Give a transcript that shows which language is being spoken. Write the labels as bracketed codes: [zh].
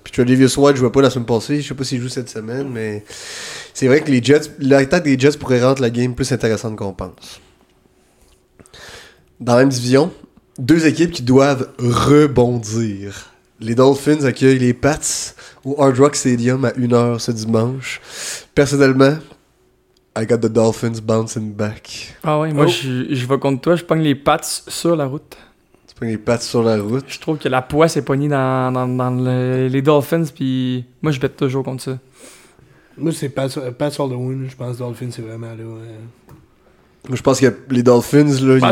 [fr] Puis Tre'Davious White, je jouais pas la semaine passée, je sais pas s'il joue cette semaine, mais c'est vrai que les Jets, l'attaque des Jets pourrait rendre la game plus intéressante qu'on pense. Dans la même division, deux équipes qui doivent rebondir. Les Dolphins accueillent les Pats au Hard Rock Stadium à 1h ce dimanche. Personnellement, [en] I got the Dolphins bouncing back. [fr] Ah ouais, moi je vais contre toi, je pogne les Pats sur la route. Tu pognes les Pats sur la route. Je trouve que la poisse est pognée dans les Dolphins, puis moi je bête toujours contre ça. Moi c'est Pats sur le win, je pense Dolphins c'est vraiment là. Moi je pense que les Dolphins là.